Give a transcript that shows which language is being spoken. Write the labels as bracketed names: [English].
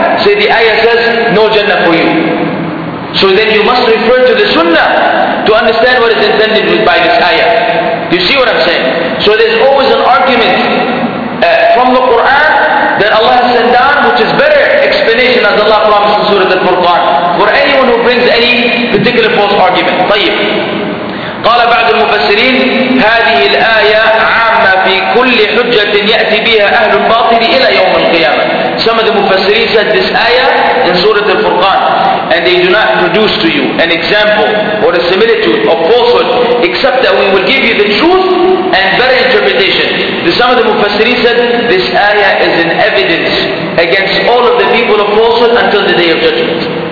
[English] Say, the ayah says, no Jannah for you. So then you must refer to the Sunnah to understand what is intended by this ayah. You see what I'm saying? So there's always an argument from the Quran that Allah has sent down, which is better explanation, as Allah promised in Surah Al-Furqan, for anyone who brings any particular false argument. [Arabic] طيب. قال بعض المفسرين هذه الآية عامة في كل حجة يأتي بها أهل الباطل إلى يوم القيامة. [English] Some of the مفسرين said this ayah in Surah Al-Furqan, and they do not produce to you an example or a similitude of falsehood, except that we will give you the truth and better interpretation. Some of the Mufassirin said, this ayah is an evidence against all of the people of falsehood until the day of judgment.